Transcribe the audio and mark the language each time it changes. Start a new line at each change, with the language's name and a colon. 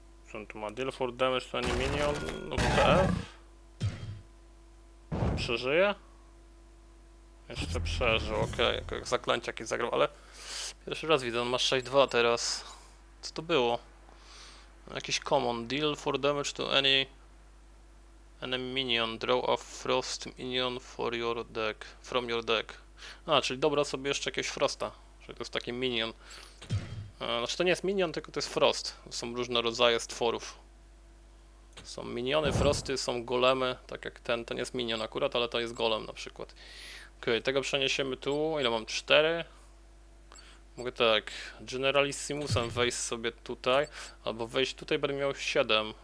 Polish: Czy on tu ma
English: deal for damage to ani minion?
Polish: No przeżyje? Jeszcze przeżył, okej, okay. Jak zaklęcie jakieś zagrał, ale pierwszy raz widzę, on ma 6-2 teraz. Co to było?
English: Jakiś common deal for damage to any enemy minion, draw a frost minion for your deck, from your deck.
Polish: A, czyli dobra sobie jeszcze jakieś frosta, czyli to jest taki minion. Znaczy to nie jest minion, tylko to jest frost. Są różne rodzaje stworów. Są miniony, frosty, są golemy, tak jak ten, ten jest minion akurat, ale to jest golem na przykład. Okej, okay, tego przeniesiemy tu, ile mam? 4? Mogę tak, generalissimusem wejść sobie tutaj, albo wejść tutaj, będę miał 7.